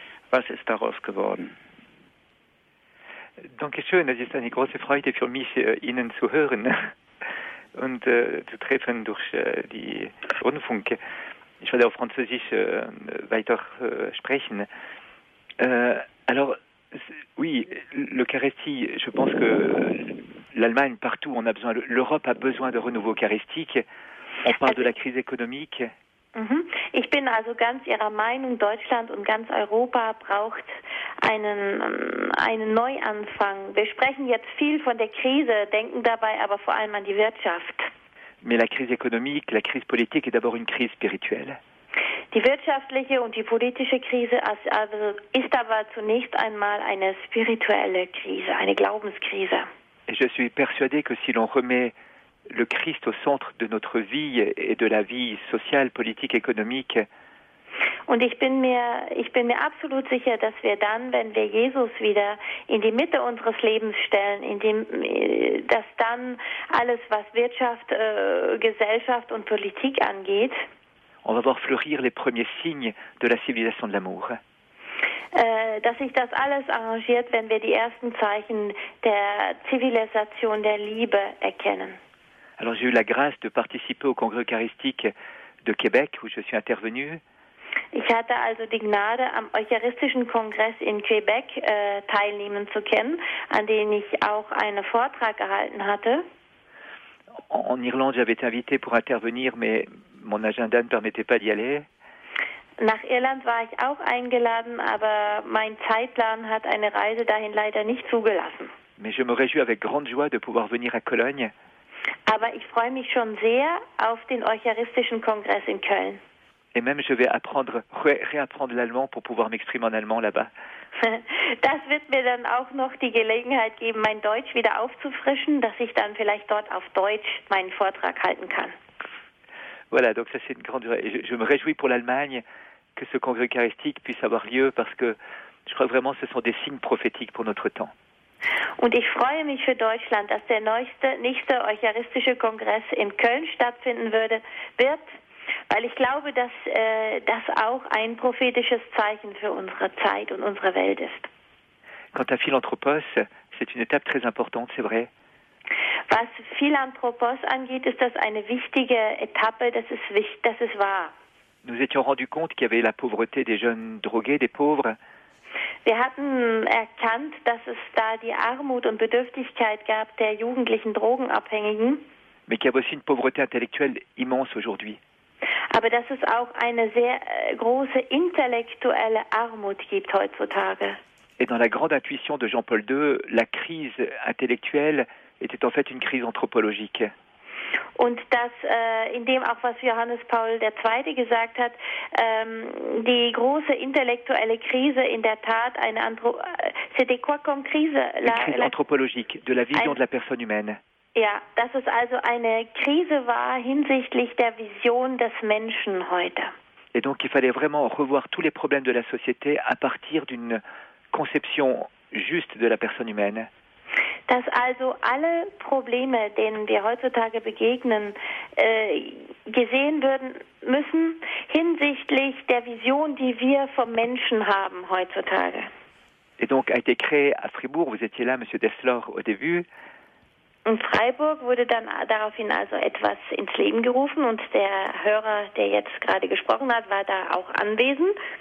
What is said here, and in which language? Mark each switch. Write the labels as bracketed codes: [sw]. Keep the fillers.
[de] Was ist daraus geworden? Danke schön. Es ist eine große Freude für mich, äh, Ihnen zu hören und äh, zu treffen durch äh, die Rundfunk. Ich werde auf Französisch äh, weiter äh, sprechen. [fr] Euh, alors, c'est- oui, l'Eucharistie, je pense que l'Allemagne, partout, on a besoin, l'Europe a besoin de renouveau eucharistique. On parle de la crise économique. Mhm. [de] Ich bin also ganz Ihrer Meinung, Deutschland und ganz Europa braucht einen, ähm, einen Neuanfang. Wir sprechen jetzt viel von der Krise, denken dabei aber vor allem an die Wirtschaft. [fr] Mais la crise économique, la crise politique est d'abord une crise spirituelle. [de] Die wirtschaftliche und die politische Krise ist also- ist aber zunächst einmal eine spirituelle Krise, eine Glaubenskrise. [fr] Et je suis persuadé que si l'on remet le Christ au centre de notre vie et de la vie sociale, politique, économique, [de] Und ich bin mir, ich bin mir absolut sicher, dass wir dann, wenn wir Jesus wieder in die Mitte unseres Lebens stellen, in dem, äh, dass dann alles, was Wirtschaft, äh, Gesellschaft und Politik angeht, [fr] on va voir fleurir les premiers signes de la civilisation de l'amour. [de] äh, dass sich das alles arrangiert, wenn wir die ersten Zeichen der Zivilisation der Liebe erkennen. [fr] Alors j'ai eu la grâce de participer au congrès eucharistique de Québec où je suis intervenu [de] Ich hatte also die Gnade, am Eucharistischen Kongress in Quebec äh, teilnehmen zu können, an dem ich auch einen Vortrag gehalten hatte. [fr] En en Irlande, j'avais été invité pour intervenir, mais mon agenda ne permettait pas d'y aller. [de] Nach Irland war ich auch eingeladen, aber mein Zeitplan hat eine Reise dahin leider nicht zugelassen. [fr] Mais je me réjouis avec grande joie de pouvoir venir à Cologne [de] Aber ich freue mich schon sehr auf den Eucharistischen Kongress in Köln. [fr] et même je vais apprendre, ré- réapprendre l'allemand pour pouvoir m'exprimer en allemand là-bas. [de] Das wird mir dann auch noch die Gelegenheit geben, mein Deutsch wieder aufzufrischen, dass ich dann vielleicht dort auf Deutsch meinen Vortrag halten kann. [fr] Voilà, donc ça c'est une grande joie. Et je, je me réjouis pour l'Allemagne que ce congrès eucharistique puisse avoir lieu parce que je crois vraiment que ce sont des signes prophétiques pour notre temps. [de] Und ich freue mich für Deutschland, dass der neueste, nächste Eucharistische Kongress in Köln stattfinden würde, wird, weil ich glaube, dass äh, das auch ein prophetisches Zeichen für unsere Zeit und unsere Welt ist. [fr] Quant à Philanthropos, c'est une étape très importante, c'est vrai. [de] Was Philanthropos angeht, ist das eine wichtige Etappe, das ist, wichtig, das ist wahr. [fr] Nous étions rendus compte qu'il y avait la pauvreté des jeunes drogués, des pauvres. [de] Wir hatten erkannt, dass es da die Armut und Bedürftigkeit gab der jugendlichen Drogenabhängigen. [fr] mais qu'il y a aussi une pauvreté intellectuelle immense aujourd'hui. [de] Aber dass es auch eine sehr äh, große intellektuelle Armut gibt heutzutage. [fr] Et dans la grande intuition de Jean-Paul II, la crise intellectuelle était en fait une crise anthropologique. [de] Und dass äh, in dem auch, was Johannes Paul II. gesagt hat, ähm, die große intellektuelle Krise in der Tat eine Anthro [fr] c'était quoi comme crise? Une crise anthropologique de la vision [de] Ein- [fr] de la personne humaine. [de] Ja, dass es also eine Krise war hinsichtlich der Vision des Menschen heute. [fr] Et donc il fallait vraiment revoir tous les problèmes de la société à partir d'une conception juste de la personne humaine. [de] Dass also alle Probleme, denen wir heutzutage begegnen, äh, gesehen würden müssen hinsichtlich der Vision, die wir vom Menschen haben heutzutage. [fr] Et donc a été créé à Fribourg, vous étiez là, Monsieur Desslor, au début, [de] In Freiburg wurde dann daraufhin also etwas ins Leben gerufen und der Hörer, der jetzt gerade gesprochen hat, war da auch anwesend.